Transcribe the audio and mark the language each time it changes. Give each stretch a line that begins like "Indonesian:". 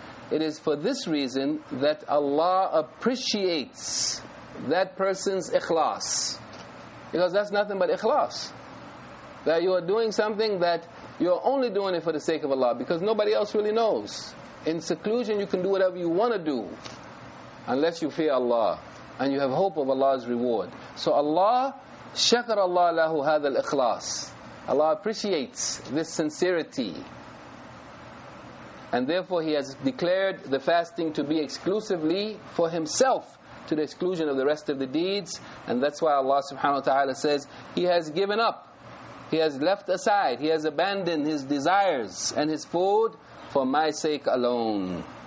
English: It is for this reason that Allah appreciates that person's ikhlas. Because that's nothing but ikhlas. That you are doing something that you're only doing it for the sake of Allah, because nobody else really knows. In seclusion, you can do whatever you want to do unless you fear Allah and you have hope of Allah's reward. So Allah,
Arabic: شَكَرَ اللَّهُ لَهُ هَذَا الْإِخْلَاصِ.
English: Allah appreciates this sincerity. And therefore He has declared the fasting to be exclusively for Himself, to the exclusion of the rest of the deeds. And that's why Allah subhanahu wa ta'ala says, He has given up, He has left aside, He has abandoned His desires and His food for My sake alone.